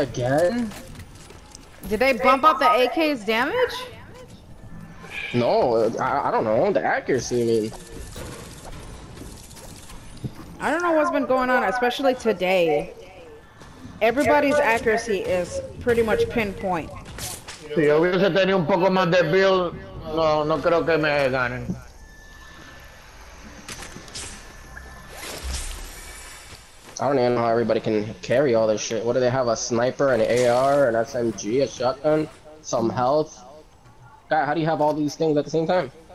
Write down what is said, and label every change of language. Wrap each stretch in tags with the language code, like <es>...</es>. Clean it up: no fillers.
<en>With the AK again? Did they bump up the AK's damage? No, I don't know. The accuracy, I mean. I don't know what's been going on, especially today. Everybody's accuracy is pretty much pinpoint.</en> <es>Si yo hubiese tenido un poco más de build, no creo que me ganen.</es> <en>I don't even know how everybody can carry all this shit. What do they have? A sniper, an AR, an SMG, a shotgun, some health? God, how do you have all these things at the same time?</en>